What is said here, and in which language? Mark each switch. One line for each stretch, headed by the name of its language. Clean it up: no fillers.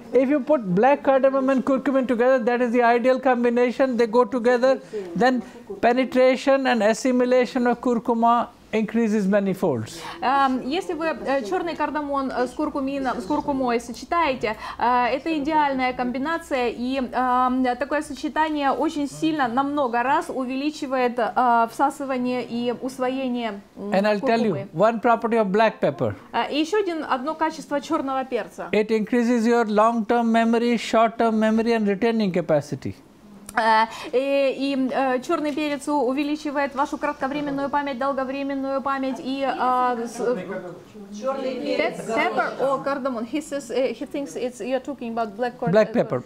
English: If you put black cardamom and curcumin together, that is the ideal combination. They go together. Then penetration and assimilation of curcuma increases many folds.
Russian: Если вы черный кардамон с куркумином, с куркумой сочетаете, это идеальная комбинация, и такое сочетание очень сильно, на много раз увеличивает всасывание и усвоение куркумы.
English: And I'll tell you one property of black pepper.
Russian: И еще одно качество черного перца.
English: It increases your long-term memory, short-term memory and retaining capacity.
Russian: И черный перец увеличивает вашу кратковременную память, долговременную память и
English: pepper or cardamom. He says he thinks it's you're talking about black cardamom.